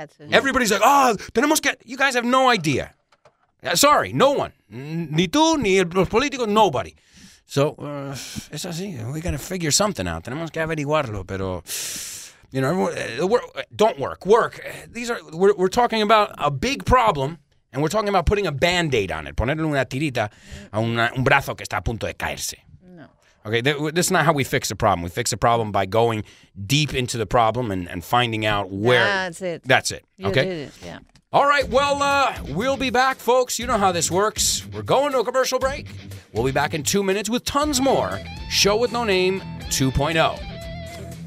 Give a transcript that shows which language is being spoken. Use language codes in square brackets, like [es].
[en] Everybody's like, oh, [es] tenemos que... [en] You guys have no idea. Sorry, no one. [es] Ni tú, ni el político, nobody. So, es así. [en] We got to figure something out. [es] Tenemos que averiguarlo, pero... [en] You know, work. We're talking about a big problem, and we're talking about putting a Band-Aid on it. [es] Ponerle una tirita a un brazo que está a punto de caerse. [en] No. Okay, that's not how we fix a problem. We fix a problem by going deep into the problem and finding out where... That's it. That's it. You okay? Did it, yeah. All right, well, we'll be back, folks. You know how this works. We're going to a commercial break. We'll be back in 2 minutes with tons more. Show with no name 2.0.